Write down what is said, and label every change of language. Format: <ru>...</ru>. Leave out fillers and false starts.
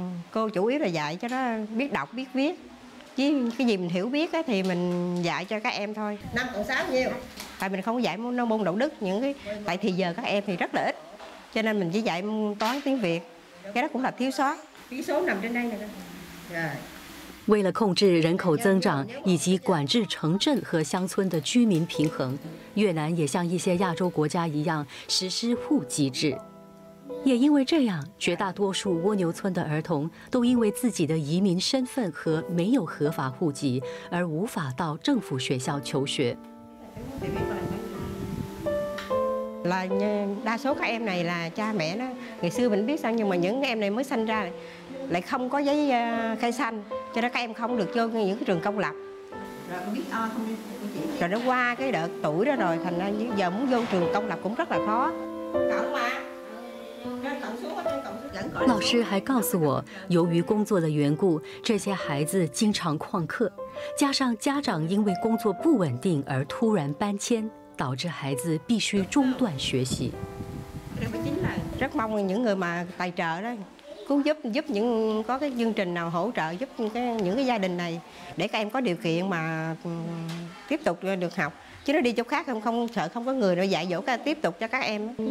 <vi>cô chủ yếu là dạy cho nó biết đọc biết viết chứ cái gì mình hiểu biết thì mình dạy cho các em thôi. Năm còn sáu nhiêu? Tại mình không dạy môn đạo đức những cái tại thì giờ các em thì rất là ít cho nên mình chỉ dạy môn toán tiếng Việt cái đó cũng là thiếu sót. Chỉ số nằm trên đây rồi.</vi> <zh>为了控制人口增长以及管制城镇和乡村的居民平衡，越南也像一些亚洲国家一样实施户籍制。也因为这样，绝大多数蜗牛村的儿童都因为自己的移民身份和没有合法户籍而无法到政府学校求学。</zh> <vi>là đa số các em này là cha mẹ nó ngày xưa mình biết sang nhưng mà những em này mới sinh ra lại không có giấy khai sinh cho nên các em không được vô những cái trường công lập rồi nó qua cái đợt tuổi đó rồi thành ra giờ muốn vô trường công lập cũng rất là khó.</vi> <zh>老师还告诉我，由于工作的缘故，这些孩子经常旷课，加上家长因为工作不稳定而突然搬迁。导致孩子必须中断学习。</zh> <vi>rất mong những người mà tài trợ đó cứu giúp giúp những có cái chương trình nào hỗ trợ giúp những cái gia đình này để các em có điều kiện mà tiếp tục được học chứ nó đi chỗ khác không không sợ không có người nó dạy dỗ các tiếp tục cho các em.</vi>